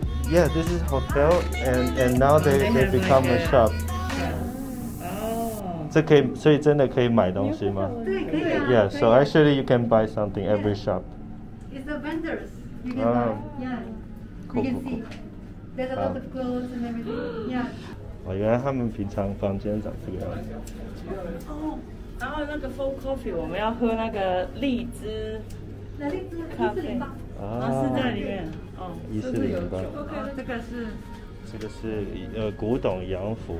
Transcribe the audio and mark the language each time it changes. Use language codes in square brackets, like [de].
[en] Yeah, this is hotel, and now they become a shop. [zh] 这可以，所以真的可以买东西吗？对，可以啊。 [en] Yeah, so actually you can buy something every shop. It's the vendors. You can buy. Yeah. Cool. There's a lot of clothes and everything. Yeah. [zh] 哦，原来他们平常房间长这个样子。哦，然后那个 full coffee， 我们要喝那个荔枝。那荔枝 1408 是在里面，哦， 1408，这个是，这个是古董洋服，